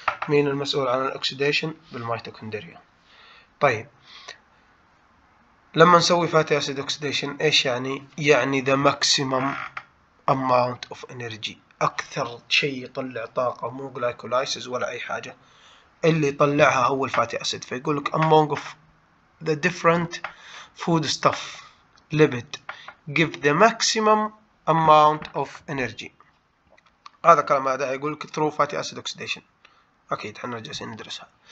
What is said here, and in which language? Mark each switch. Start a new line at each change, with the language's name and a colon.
Arabic: مين المسؤول عن الاوكسيديشن؟ بالميتوكوندريا. طيب لما نسوي فاتي اسيد اوكسيديشن ايش يعني؟ يعني
English: the maximum amount of energy
Arabic: اكثر شيء يطلع طاقه مو جلايكولايسيس ولا اي حاجه اللي يطلعها هو الفاتي اسيد. فيقول لك
English: among of the different food stuff lipid give the maximum amount of energy.
Arabic: هذا كلام هذا يقول لك
English: through fatty acid oxidation
Arabic: اكيد احنا جالسين ندرسها.